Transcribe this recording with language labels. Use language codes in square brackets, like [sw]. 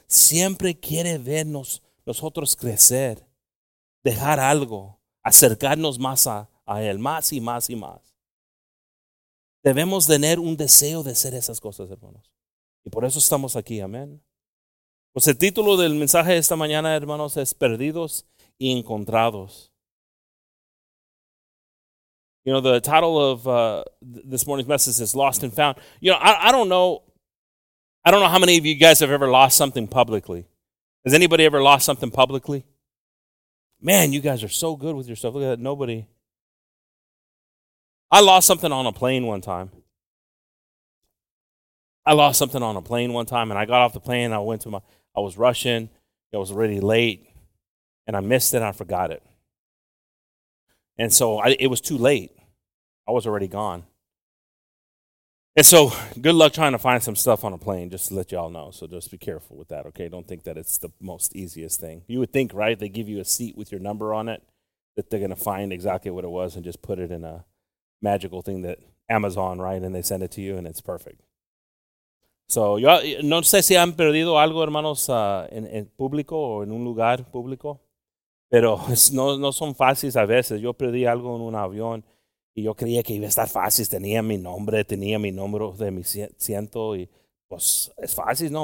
[es] Siempre quiere vernos, nosotros crecer, dejar algo, acercarnos más a Él, más y más y más. Debemos tener un deseo de hacer esas cosas, hermanos. Y por eso estamos aquí, amén. Pues el título del mensaje de esta mañana, hermanos, es Perdidos y Encontrados. [en] You know, the title of this morning's message is Lost and Found. You know, I don't know how many of you guys have ever lost something publicly. Has anybody ever lost something publicly? Man, you guys are so good with yourself. Look at that, nobody. I lost something on a plane one time. And I got off the plane. I went to I was rushing. It was already late. And I missed it. And I forgot it. And so it was too late. I was already gone. And so, good luck trying to find some stuff on a plane, just to let y'all know. So just be careful with that, okay? Don't think that it's the most easiest thing. You would think, right, they give you a seat with your number on it, that they're going to find exactly what it was and just put it in a magical thing that Amazon, right, and they send it to you, and it's perfect. [es] So, yo no sé si han perdido algo, hermanos, en público o en un lugar público, pero no son fáciles a veces. Yo perdí algo en un avión. Y yo creía que iba a estar fácil, tenía mi número de mi ciento, y pues es fácil, ¿no?